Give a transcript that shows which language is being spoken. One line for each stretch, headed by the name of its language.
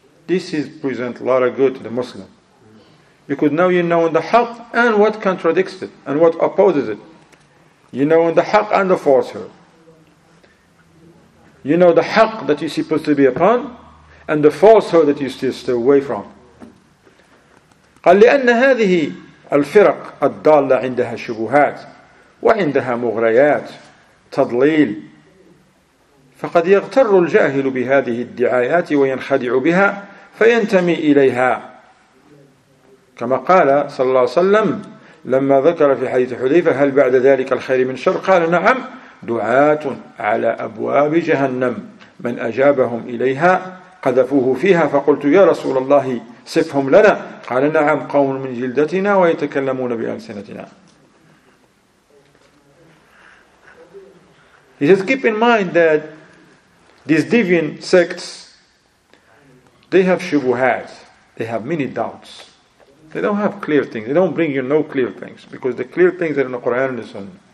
English: This is present a lot of good to the Muslim. Because now you know in the haqq and what contradicts it and what opposes it. You know in the haqq and the falsehood. You know the haqq that you're supposed to be upon and the falsehood that you still stay away from.
Arabic: قال لأن هذه الفرق الضالة عندها شبهات وعندها مغريات تضليل فقد يغتر الجاهل بهذه الدعايات وينخدع بها فينتمي إليها كما قال صلى الله عليه وسلم لما ذكر في حديث حذيفة هل بعد ذلك الخير من شر قال نعم دعاة على أبواب جهنم من أجابهم إليها قذفوه فيها فقلت يا رسول الله صفهم لنا قال نعم قوم من جلدتنا ويتكلمون بألسنتنا.
English: He says, keep in mind that these deviant sects, they have shubuhat, they have many doubts. They don't have clear things, they don't bring you no clear things, because the clear things are in the Quran and the Sunnah.